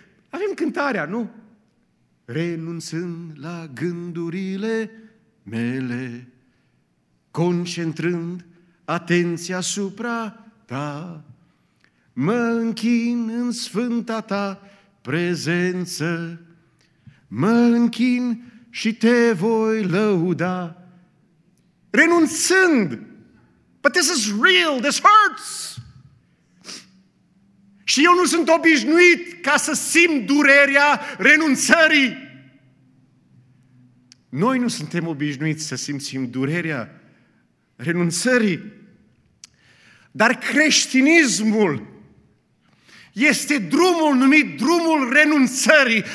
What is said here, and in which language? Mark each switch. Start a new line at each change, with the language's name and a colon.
Romanian: Avem cântarea, nu? Renunțând la gândurile mele, concentrând atenția asupra ta, mă închin în sfânta ta prezență, mă închin și te voi lăuda. Renunțând!
English: But this is real, this hurts!
Romanian: Și eu nu sunt obișnuit ca să simt durerea renunțării. Noi nu suntem obișnuiți să simțim durerea renunțării. Dar creștinismul este drumul numit drumul renunțării.